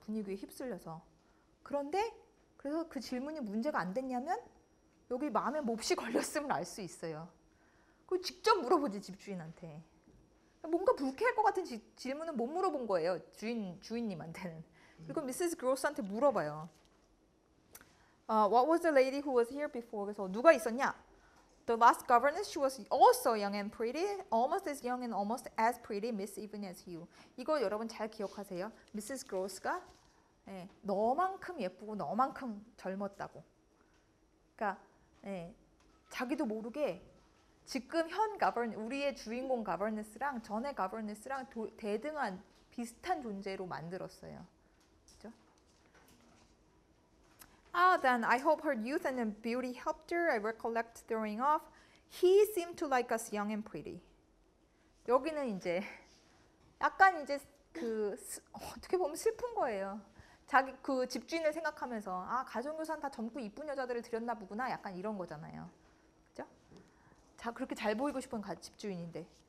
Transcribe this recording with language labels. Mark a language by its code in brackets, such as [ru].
[ko] 분위기에 휩쓸려서. 그런데 그래서 그 질문이 문제가 안 됐냐면 여기 마음에 몹시 걸렸음을 알 수 있어요. 그걸 직접 물어보지 집주인한테. 뭔가 불쾌할 것 같은 질문은 못 물어본 거예요. 주인님한테는. 그리고 미세스 그로스한테 물어봐요. [en] What was the lady who was here before? [ko] 그래서 누가 있었냐? [en] The last governess, she was also young and pretty, almost as young and almost as pretty, Miss Even as you. [ko] 이거 여러분 잘 기억하세요. 미세스 그로스가 예, 너만큼 예쁘고 너만큼 젊었다고. 그러니까 예, 자기도 모르게 지금 현 governess, 우리의 주인공 governess랑 전의 governess랑 대등한 비슷한 존재로 만들었어요. [en] Ah, then I hope her youth and beauty helped her. I recollect throwing off. He seemed to like us young and pretty. [ko] 여기는 이제 약간 이제 그 어떻게 보면 슬픈 거예요. 자기 그 집주인을 생각하면서 아 가정교사는 다 젊고 이쁜 여자들을 들였나 보구나 약간 이런 거잖아요. 그죠? 자 그렇게 잘 보이고 싶은 집주인인데.